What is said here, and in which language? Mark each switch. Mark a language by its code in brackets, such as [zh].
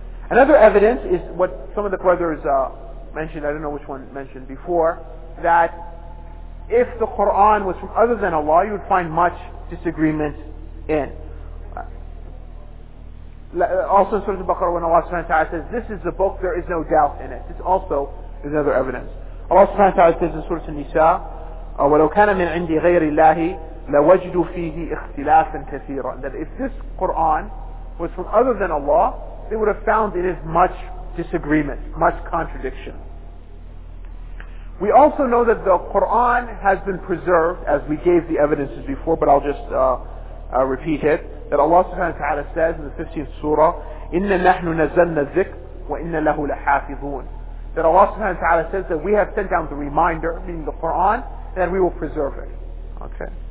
[en] Another evidence is what some of the brothers mentioned, I don't know which one mentioned before, that if the Quran was from other than Allah, you would find much disagreement in. Also in Surah Al-Baqarah, when Allah subhanahu wa ta'ala says, this is the book, there is no doubt in it. This also is another evidence. [ar] Allah subhanahu wa ta'ala says in Surah An-Nisa, وَلَوْ كَانَ مِنْ عِنْدِي غَيْرِ اللَّهِ لَوَجِدُوا فِيهِ اِخْتِلَافًا كَثِيرًا. [en] That if this Quran was from other than Allah, they would have found in it much disagreement, much contradiction. We also know that the Quran has been preserved, as we gave the evidences before, but I'll just repeat it, that Allah subhanahu wa ta'ala says in the 15th surah, [ar] إِنَّ نَحْنُ نَزَلْنَا الذِّكْرِ وَإِنَّ لَهُ لَحَافِظُونَ, [en] that Allah subhanahu wa ta'ala says that we have sent down the reminder, meaning the Quran, and we will preserve it. Okay.